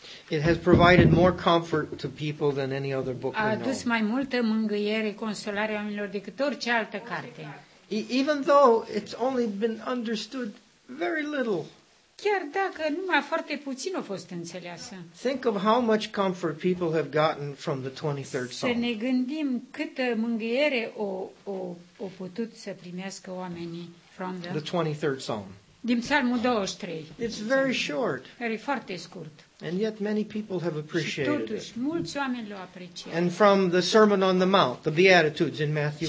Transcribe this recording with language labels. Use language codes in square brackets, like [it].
[en] It has provided more comfort to people than any other book we know. [ro] A adus mai multă mângâiere, consolare oamenilor decât orice altă carte. [en] Even though it's only been understood very little. [ro] Chiar dacă numai foarte puțin a fost înțeleasă. [en] Think of how much comfort people have gotten from the 23rd Psalm. [ro] Să ne gândim câtă mângâiere o putut să primească oamenii [en] from the 23rd Psalm. [ro] Din Psalmul 23. [en] It's very short. [ro] Care e foarte scurt. [en] And yet many people have appreciated it. [ro] Și totuși, mulți oameni l-au apreciat. [en] And from the Sermon on the Mount, the Beatitudes in Matthew 5.